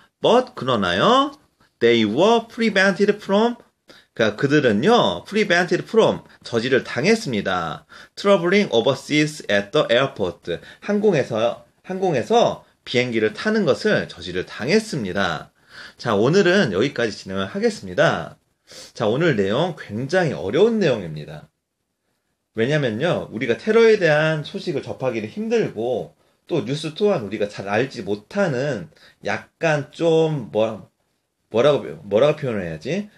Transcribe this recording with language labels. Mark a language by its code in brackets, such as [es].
[en] But 그러나요, they were prevented from. [ko] 그들은요, prevented from 저지를 당했습니다. [en] Traveling overseas at the airport. [ko] 항공에서 비행기를 타는 것을 저지를 당했습니다. 자, 오늘은 여기까지 진행을 하겠습니다. 자, 오늘 내용 굉장히 어려운 내용입니다. 왜냐면요, 우리가 테러에 대한 소식을 접하기는 힘들고, 또 뉴스 또한 우리가 잘 알지 못하는 약간 좀, 뭐라고 표현을 해야지?